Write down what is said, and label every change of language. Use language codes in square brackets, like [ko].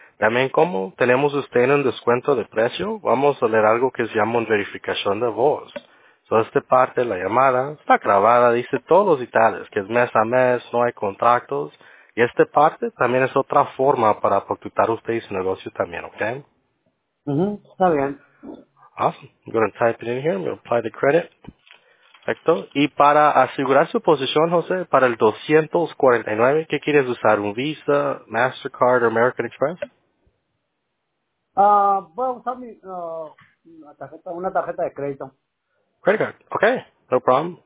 [es] También como tenemos usted en un descuento de precio, vamos a leer algo que se llama una verificación de voz. Toda esta parte, la llamada, está grabada, dice todos los detalles, que es mes a mes, no hay contactos. Y esta parte también es otra forma para protectar usted y su negocio también, ¿ok? Está bien. [en] Awesome. I'm going to type it in here. I'm going to apply the credit. [es] Perfecto. Y para asegurar su posición, José, para el 249, ¿qué quieres usar? ¿Un Visa, MasterCard o American Express? Voy a usar mi, una tarjeta de crédito. [en] Credit card. Okay. No problem.